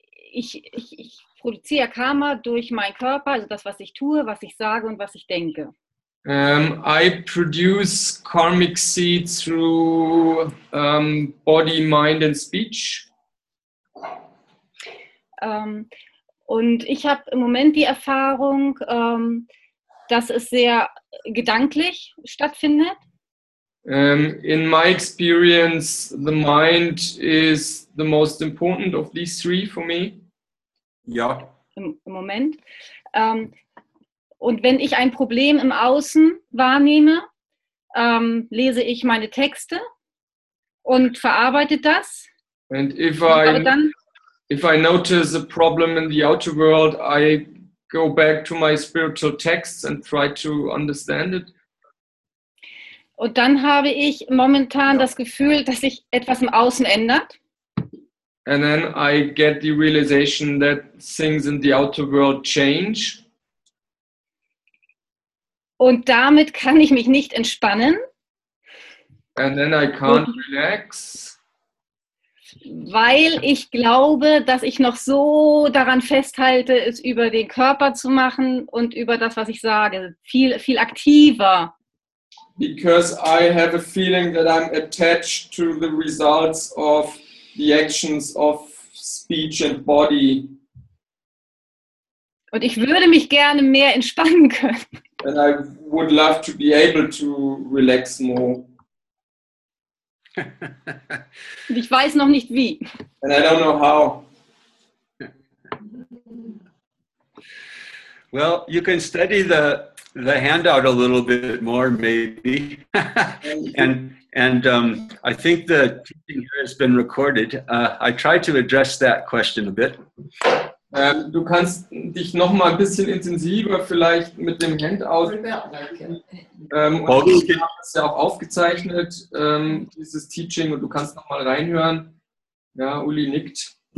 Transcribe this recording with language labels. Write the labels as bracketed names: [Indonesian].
[German] Ich produziere Karma durch meinen Körper, also das, was ich tue, was ich sage und was ich denke. [English] I produce karmic seed through body, mind and speech. [German] Und ich habe im Moment die Erfahrung, dass es sehr gedanklich stattfindet. [English] In my experience, the mind is the most important of these three for me. [German] Ja. Im Moment. Und wenn ich ein Problem im Außen wahrnehme, lese ich meine Texte und verarbeite das. [English] And if I notice a problem in the outer world, I go back to my spiritual texts and try to understand it. [German] Und dann habe ich momentan das Gefühl, dass sich etwas im Außen ändert. [English] And then I get the realization that things in the outer world change. [German] Und damit kann ich mich nicht entspannen. [English] And then I can't relax. [German] Weil ich glaube, dass ich noch so daran festhalte, es über den Körper zu machen und über das, was ich sage, viel, viel aktiver. [English] Because I have a feeling that I'm attached to the results of the actions of speech and body. [German] Und ich würde mich gerne mehr entspannen können. [English] And I would love to be able to relax more. [German] Und ich weiß noch nicht wie. [English] And I don't know how. Well, you can study the handout a little bit more, maybe. And I think the teaching here has been recorded. I tried to address that question a bit. [German] Du kannst dich noch mal ein bisschen intensiver vielleicht mit dem Handout. Ich habe es ja auch aufgezeichnet, dieses Teaching, und du kannst noch mal reinhören. Ja, Uli nickt.